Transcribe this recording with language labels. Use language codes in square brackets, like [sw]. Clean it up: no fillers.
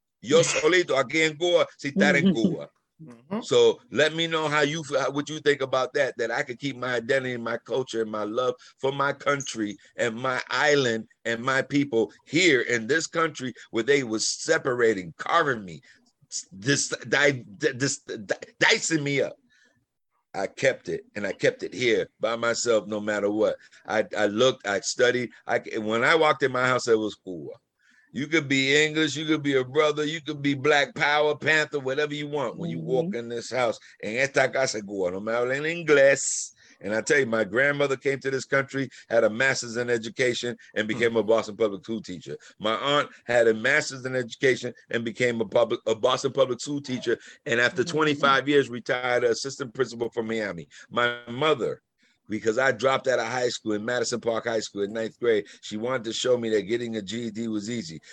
[es] Yo solito aquí en Cuba, si estar en Cuba. [en] So let me know how you feel, what you think about that, that I could keep my identity, my culture, and my love for my country and my island and my people here in this country where they was separating, carving me. Dicing me up. I kept it, and I kept it here by myself no matter what. I looked, I studied. When I walked in my house, it was cool. You could be English, you could be a brother, you could be Black Power, Panther, whatever you want when you walk in this house. [es] En esta casa cool, no me hablen inglés. [en] And I tell you, my grandmother came to this country, had a master's in education, and became a Boston Public School teacher. My aunt had a master's in education and became a Boston Public School teacher. And after 25 years, retired assistant principal from Miami. My mother, because I dropped out of high school in Madison Park High School in ninth grade, she wanted to show me that getting a GED was easy.